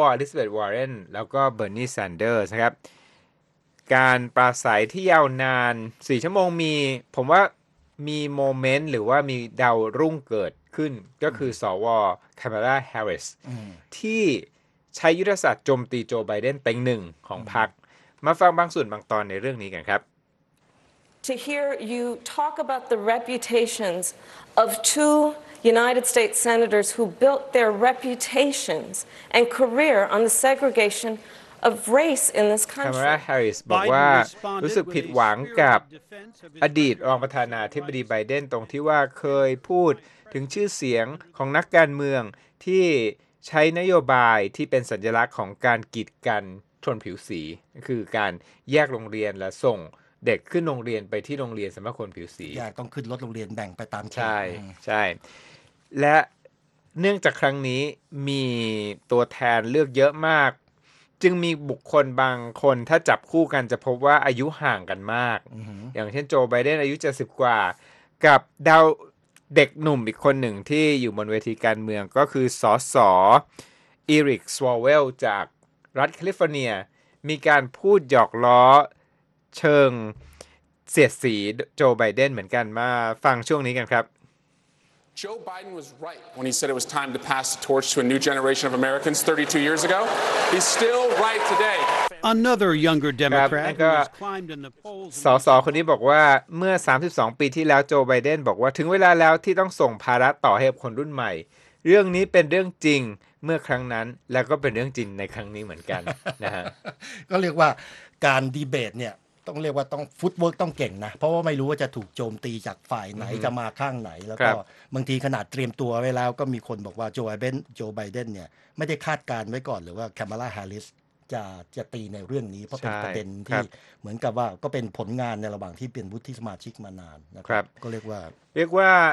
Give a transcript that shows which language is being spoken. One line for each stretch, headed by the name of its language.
Thai: อลิซาเบธ วอร์เรนแล้วก็เบอร์นีแซนเดอร์สครับการปราศัยที่ยาวนาน4ชั่วโมงผมว่ามีโมเมนต์หรือว่ามีดาวรุ่งเกิดขึ้นก็คือสว. แคมเมล่าแฮร์ริสที่ใช้ยุทธศาสตร์โจมตีโจไบเดนเต็งหนึ่งของพรรคมาฟังบางส่วนบางตอนในเรื่องนี้กันครับ
English: To hear you talk about the reputations of two United States senators who built their reputations and career on the segregation of race in this country.
Thai: Kamala Harris บอกว่ารู้สึกผิดหวังกับอดีตรองประธานาธิบดีไบเดนตรงที่ว่าเคยพูดถึงชื่อเสียงของนักการเมืองที่ใช้นโยบายที่เป็นสัญลักษณ์ของการกีดกันชนผิวสีคือการแยกโรงเรียนและส่งเด็กขึ้นโรงเรียนไปที่โรงเรียนสำหรับคนผิวสี อยากต้องขึ้นรถโรงเรียนแบ่งไปตาม ใช่ใช่และเนื่องจากครั้งนี้มีตัวแทนเลือกเยอะมากจึงมีบุคคลบางคนถ้าจับคู่กันจะพบว่าอายุห่างกันมาก อย่างเช่นโจไบเดนอายุ70กว่ากับดาวเด็กหนุ่มอีกคนหนึ่งที่อยู่บนเวทีการเมืองก็คือสส. อีริก สวอเวลจากรัฐแคลิฟอร์เนียมีการพูดหยอกล้อเชิงเสียดสีโจไบเดนเหมือนกันมาฟังช่วงนี้กันครับ
English: Joe Biden was right when he said it was time to pass the torch to a new generation of Americans 32 years ago. He's still right today. Another younger Democrat who has climbed in the polls.
Thai: สสคนนี้บอกว่าเมื่อ32ปีที่แล้วโจไบเดนบอกว่าถึงเวลาแล้วที่ต้องส่งภาระต่อให้คนรุ่นใหม่เรื่องนี้เป็นเรื่องจริงเมื่อครั้งนั้นแล้วก็เป็นเรื่องจริงในครั้งนี้เหมือนกันนะฮะ ก็เรียกว่าการดีเบตเนี่ยต้องเรียกว่าต้องฟุตเวิร์กต้องเก่งนะเพราะว่าไม่รู้ว่าจะถูกโจมตีจากฝ่ายไหนจะมาข้างไหนแล้วก็บางทีขนาดเตรียมตัวไว้แล้วก็มีคนบอกว่าโจไบเดนเนี่ยไม่ได้คาดการไว้ก่อนหรือว่าแคมาลาแฮร์ริสจะตีในเรื่องนี้เพราะเป็นประเด็นที่เหมือนกับว่าก็เป็นผลงานในระหว่างที่เป็นวุฒิสมาชิกมานานนะครับก็เรียกว่า